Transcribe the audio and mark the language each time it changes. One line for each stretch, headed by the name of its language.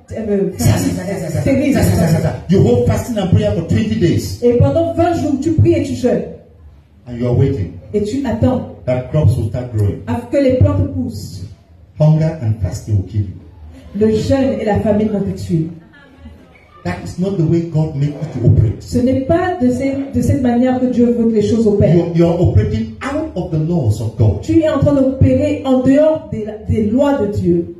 English: You hold fasting and prayer for 20 days.
French: Et pendant 20 jours, tu pries et tu jeûnes.
English: And you are waiting.
French: Et tu attends.
English: That crops will start growing.
French: Afin que les plantes poussent.
English: Hunger and fasting will kill you.
French: Le jeûne et la famine vont te tuer.
English: That is not the way God made you to operate.
French: Ce n'est pas de cette manière que Dieu veut que les choses opèrent.
English: You are operating out of the laws of God.
French: Tu es en train d'opérer en dehors des lois de Dieu.